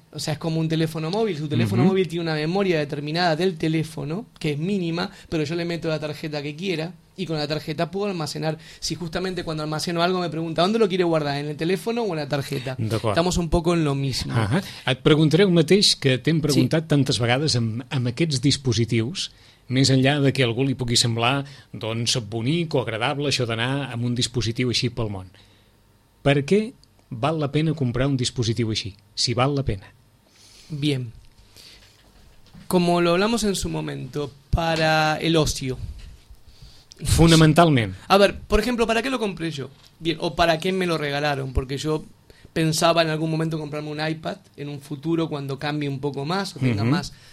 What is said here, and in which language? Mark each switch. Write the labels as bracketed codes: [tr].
[es] O sea, es como un teléfono móvil. Su teléfono móvil tiene una memoria determinada del teléfono, que es mínima, pero yo le meto la tarjeta que quiera y con la tarjeta puedo almacenar. Si justamente cuando almaceno algo me pregunta, ¿dónde lo quiere guardar? ¿En el teléfono o en la tarjeta? [ca] D'acord. [es] Estamos un poco en lo mismo. [ca] Et preguntaré el mateix que t'hem preguntat tantes vegades amb aquests dispositius, més enllà de que a algú li pugui semblar doncs bonic o agradable això d'anar amb un dispositiu així pel món. Per què val la pena comprar un dispositiu així? Si val la pena. [es] Bien. Como lo hablamos en su momento, para el ocio. [ca] Fundamentalment. [es] A ver, por ejemplo, ¿para qué lo compré yo? Bien, o ¿para qué me lo regalaron? Porque yo pensaba en algún momento comprarme un iPad en un futuro cuando cambie un poco más o tenga más